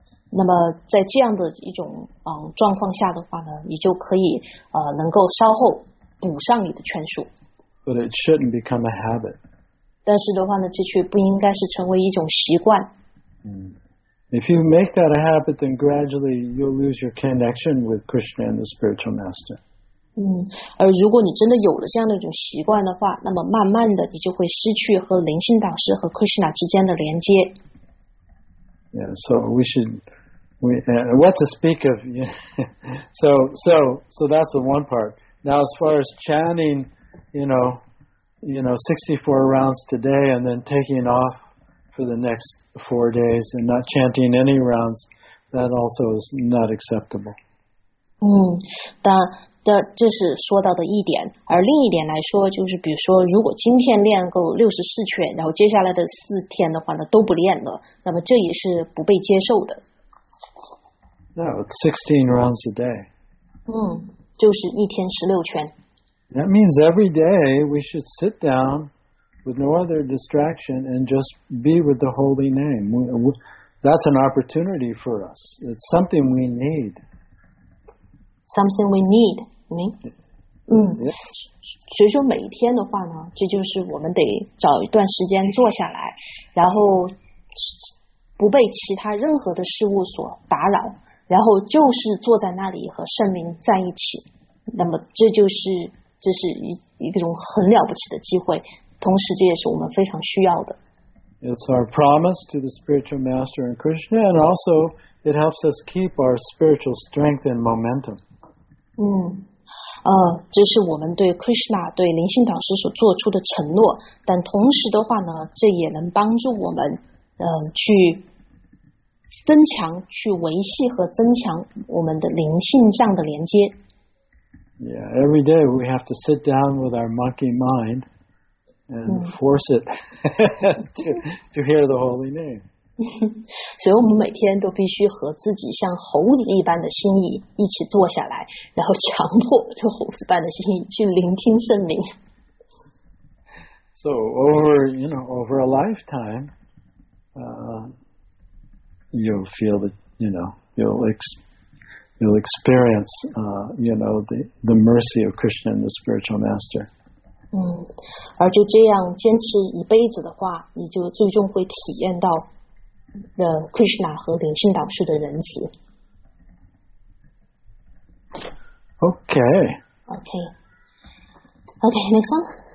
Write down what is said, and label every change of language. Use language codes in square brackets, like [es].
[zh] 那么在这样的一种状况下的话呢，你就可以能够稍后补上你的圈数。 [en] But it shouldn't become a habit. [zh] 但是的话呢，这却不应该是成为一种习惯。 [en] If you make that a habit, then gradually you'll lose your connection with Krishna and the spiritual master. [zh] 而如果你真的有了这样的一种习惯的话，那么慢慢的你就会失去和灵性导师和 Krishna 之间的连接。 [en] Yeah, so we should, what to speak of, yeah. So that's the one part. Now, as far as chanting, you know, 64 rounds today and then taking off,for the next 4 days and not chanting any rounds, that also is not acceptable. [zh] 这是说到的一点，而另一点来说，就是比如说如果今天练够64圈，然后接下来的四天的话呢都不练了，那么这也是不被接受的。 [en] No, it's 16 rounds a day. [zh] 就是一天16圈。 [en] That means every day we should sit downwith no other distraction and just be with the holy name. That's an opportunity for us. It's something we need. Something we need. Yes. [zh] 所以说每一天的话呢，这就是我们得找一段时间坐下来，然后不被其他任何的事物所打扰，然后就是坐在那里和圣灵在一起。那么这是一种很了不起的机会。同时这也是我们非常需要的。 [en] It's our promise to the spiritual master and Krishna, and also it helps us keep our spiritual strength and momentum. [zh] 这是我们对 Krishna, 对灵性导师所做出的承诺，但同时的话呢，这也能帮助我们去增强，去维系和增强我们的灵性上的连接。 [en] Yeah, every day we have to sit down with our monkey mind, and force it to hear the holy name. [zh] 所以我们每天都必须和自己像猴子一般的心意一起坐下来，然后强迫这猴子般的心意去聆听圣灵。 [en] So over, you know, over a lifetime, you'll feel that, you know, you'll experience, you know, the mercy of Krishna and the spiritual master. [zh] 嗯，而就这样坚持一辈子的话，你就最终会体验到的 Krishna 和灵性导师的仁慈。 [en] Okay. Okay. Okay. Next one.